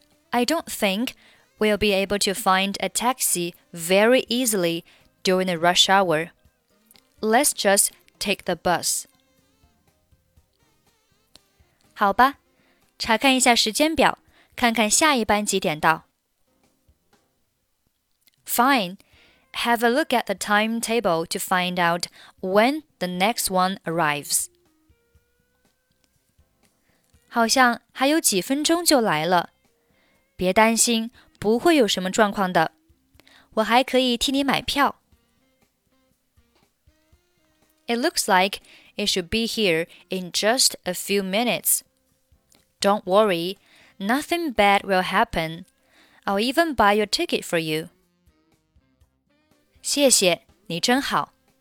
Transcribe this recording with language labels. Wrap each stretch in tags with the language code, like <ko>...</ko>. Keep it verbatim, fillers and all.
<en>I don't think we'll be able to find a taxi very easily during the rush hour. Let's just take the bus.</en> <zh>好吧，查看一下时间表，看看下一班几点到。</zh> <en>Fine. Have a look at the timetable to find out when the next one arrives.</en> <zh>好像还有几分钟就来了。别担心，不会有什么状况的。我还可以替你买票。</zh> <en>It looks like it should be here in just a few minutes. Don't worry, nothing bad will happen. I'll even buy your ticket for you.</en> <zh>谢谢，你真好。</zh>